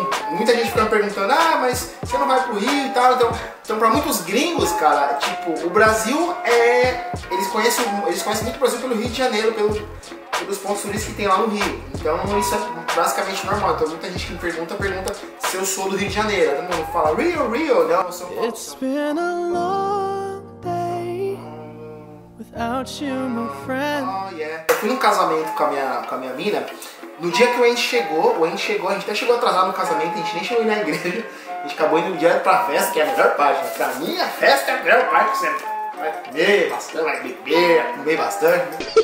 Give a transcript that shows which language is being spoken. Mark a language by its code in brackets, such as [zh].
[pt] Muita gente fica me perguntando, ah, mas você não vai pro Rio e tal, então... Então, pra muitos gringos, cara, tipo, o Brasil é... Eles conhecem muito o Brasil pelo Rio de Janeiro, pelos pontos turísticos que tem lá no Rio. Então, isso é basicamente normal. Então, muita gente que me pergunta se eu sou do Rio de Janeiro. Todo mundo fala, Rio, não, eu sou... [en] It's been a long day without you, my friend. Oh, yeah. [pt] Eu fui num casamento com a minha mina. No dia que o Andy chegou, a gente até chegou atrasado no casamento, a gente nem chegou na igreja. A gente acabou indo direto pra festa, que é a melhor parte. Né? Pra mim, a festa é a melhor parte. Você vai comer bastante, vai beber, vai comer bastante. Né?